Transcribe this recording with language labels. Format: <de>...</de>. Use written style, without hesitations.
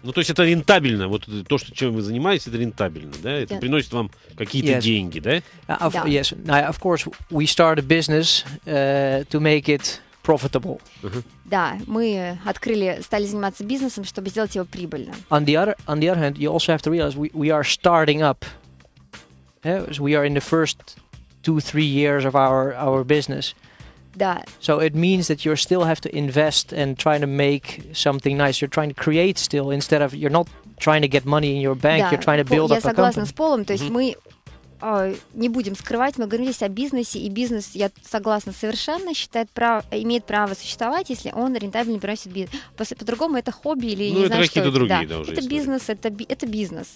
<ru>Ну, то есть это рентабельно, вот то, чем вы занимаетесь, это рентабельно, да? Это приносит вам какие-то деньги, да?</ru> <en>Yes, of course, we start a business to make it profitable.</en> <ru>Да, мы стали заниматься бизнесом, чтобы сделать его прибыльным.</ru> <en>On the other hand, you also have to realize we are starting up. Yeah? We are in the first 2-3 years of our business.</en> <ru>Да.</ru> <en>So it means that you still have to invest and try to make something nice. You're trying to create still, instead of you're not trying to get money in your bank, you're trying to build up a company.</en> <ru>Я согласна с Полом, то есть мы не будем скрывать, мы говорим здесь о бизнесе, и бизнес, я согласна, совершенно считает имеет право существовать, если он рентабельно приносит бизнес. По-другому это хобби или не знаю, что это. Другие, да. Да, это бизнес, это бизнес.</ru>